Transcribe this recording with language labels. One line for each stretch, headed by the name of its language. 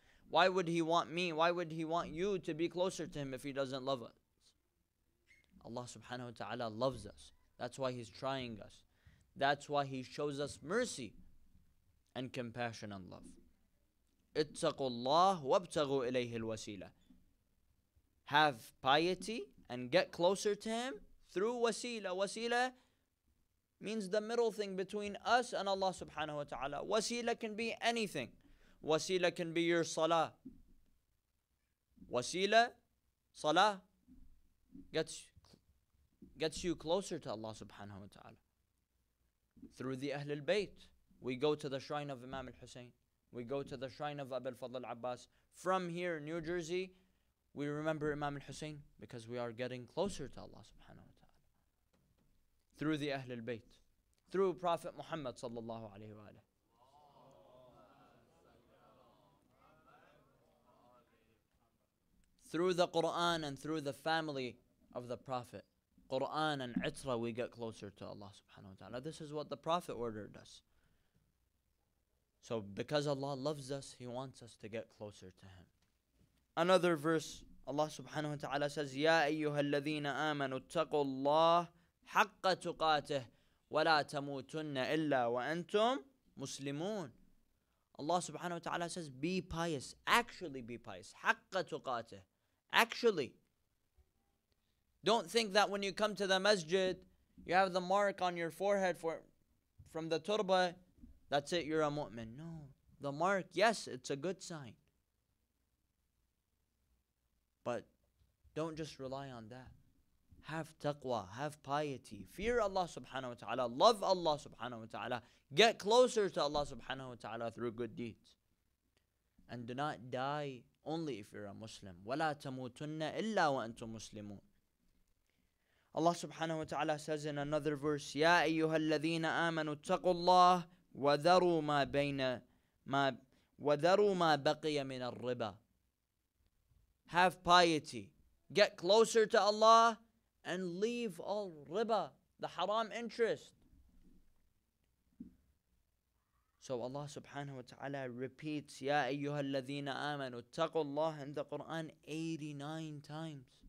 English: Why would he want you to be closer to Him if He doesn't love us? Allah subhanahu wa ta'ala loves us. That's why He's trying us. That's why He shows us mercy and compassion and love. اتقوا الله وابتغوا إليه الوسيلة. Have piety and get closer to Him through wasila. Wasila means the middle thing between us and Allah subhanahu wa ta'ala. Wasila can be anything. Wasila can be your salah. Wasila, salah, gets you closer to Allah subhanahu wa ta'ala. Through the Ahlul Bayt, we go to the shrine of Imam al-Husayn. We go to the shrine of Abul Fadl al-Abbas. From here, New Jersey, we remember Imam al-Husayn because we are getting closer to Allah subhanahu wa ta'ala. Through the Ahlul Bayt. Through Prophet Muhammad sallallahu alayhi wa alayhi. Through the Quran and through the family of the Prophet. Quran and Itra, we get closer to Allah subhanahu wa ta'ala. This is what the Prophet ordered us. So because Allah loves us, He wants us to get closer to Him. Another verse, Allah subhanahu wa ta'ala says,
Arabic: يَا أَيُّهَا الَّذِينَ آمَنُوا اتَّقُوا اللَّهِ حَقَّ تُقَاتِهِ وَلَا تَمُوتُنَّ إِلَّا وَأَنْتُمْ مُسْلِمُونَ.
English: Allah subhanahu wa ta'ala says, be pious, actually be pious.
Arabic: حَقَّ تُقَاتِهِ,
English: actually. Don't think that when you come to the masjid, you have the mark on your forehead from the turba, that's it, you're a mu'min. No. The mark, yes, it's a good sign. But don't just rely on that. Have taqwa, have piety, fear Allah subhanahu wa ta'ala, love Allah subhanahu wa ta'ala, get closer to Allah subhanahu wa ta'ala through good deeds. And do not die only if you're a Muslim.
Arabic: وَلَا تَمُوتُنَّ إِلَّا وَأَنْتُمْ مُسْلِمُونَ
English: Allah subhanahu wa ta'ala says in another verse,
Arabic: يَا أَيُّهَا الَّذِينَ آمَنُوا اتَّقُوا اللَّهِ وَذَرُوا مَا بَيْنَ مَا وَذَرُوا مَا بَقِيَ مِنَ الرِّبَى
English: Have piety. Get closer to Allah and leave all riba, the haram interest. So Allah subhanahu wa ta'ala repeats,
Arabic: يَا أَيُّهَا الَّذِينَ آمَنُوا اتَّقُوا اللَّهِ
English: in the Qur'an 89 times.